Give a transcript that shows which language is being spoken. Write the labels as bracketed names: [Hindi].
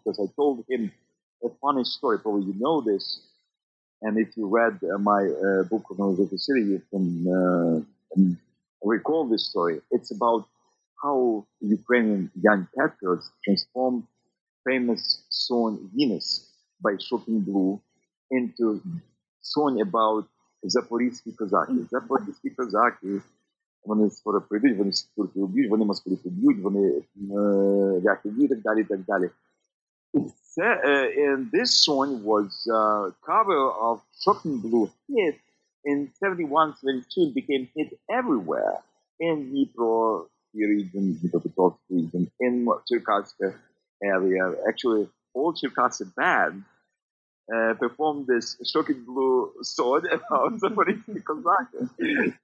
[English] Because I told him a funny story, probably you know this, and if you read my book on the city, you can recall this story. It's about how Ukrainian young patriots transformed famous song Venus by Shocking Blue into song about Zaporizhsky Kozaki. [Ukrainian] Zaporizhsky Kozaki, вони скоро прийдуть, вони скоро приб'ють, вони Москву приб'ють, вони ряхи так далі, так далі. [English] And this song was a cover of Shocking Blue hit in 71-72 and became hit everywhere in Dnipro region, Dnipropetrovsk region, in Cherkasska area. Actually, all Cherkasy band performed this Shocking Blue song about the Zaporizhsky Kozaki.